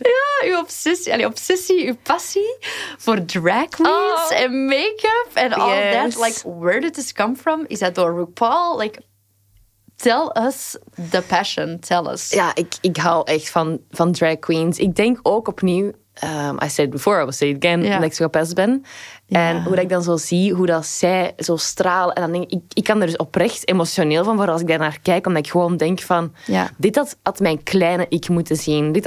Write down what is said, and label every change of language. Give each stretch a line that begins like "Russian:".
Dutch: Ja, uw passie voor drag queens en make-up en
English: all that. Like, where did this come from?
Dutch: Is dat door RuPaul?
English: Like, tell us the passion, tell us.
Dutch: Ja, ik hou echt van drag queens. Ik denk ook opnieuw,
English: I said before, I will say it again,
Dutch: dat ik zo best ben. En hoe dat ik dan zo zie, hoe dat zij zo stralen. En dan denk ik kan er dus oprecht emotioneel van worden als ik daarnaar kijk. Omdat ik gewoon denk van, dit had mijn kleine ik moeten zien.